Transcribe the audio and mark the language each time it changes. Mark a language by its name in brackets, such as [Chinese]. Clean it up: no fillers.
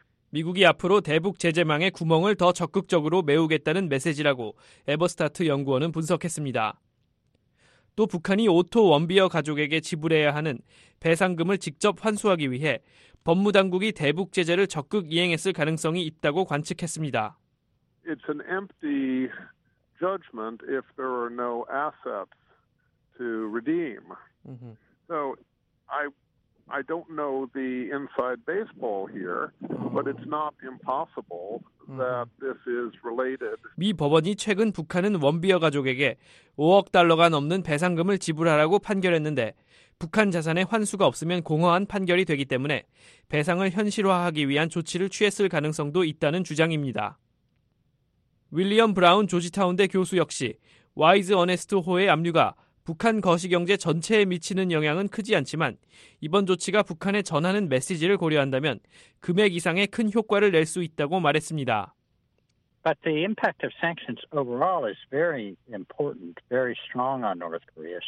[Korean] 미국이 앞으로 대북 제재망의 구멍을 더 적극적으로 메우겠다는 메시지라고 에버스타트 연구원은 분석했습니다. 또 북한이 오토 원비어 가족에게 지불해야 하는 배상금을 직접 환수하기 위해 법무당국이 대북 제재를 적극 이행했을 가능성이 있다고 관측했습니다. [English] It's an empty judgment if there are no assets to redeem. So I don't know the inside baseball here, but it's not impossible that this is related. [Korean] 미 법원이 최근 북한은 원비어 가족에게 5억 달러가 넘는 배상금을 지불하라고 판결했는데 북한 자산의 환수가 없으면 공허한 판결이 되기 때문에 배상을 현실화하기 위한 조치를 취했을 가능성도 있다는 주장입니다. 윌리엄 브라운 조지타운대 교수 역시 와이즈 어네스트 호의 압류가 북한 거시경제 전체에 미치는 영향은 크지 않지만 이번 조치가 북한에 전하는 메시지를 고려한다면 금액 이상의 큰 효과를 낼 수 있다고 말했습니다. [English] But the impact of sanctions overall is very important, very strong on North Korea.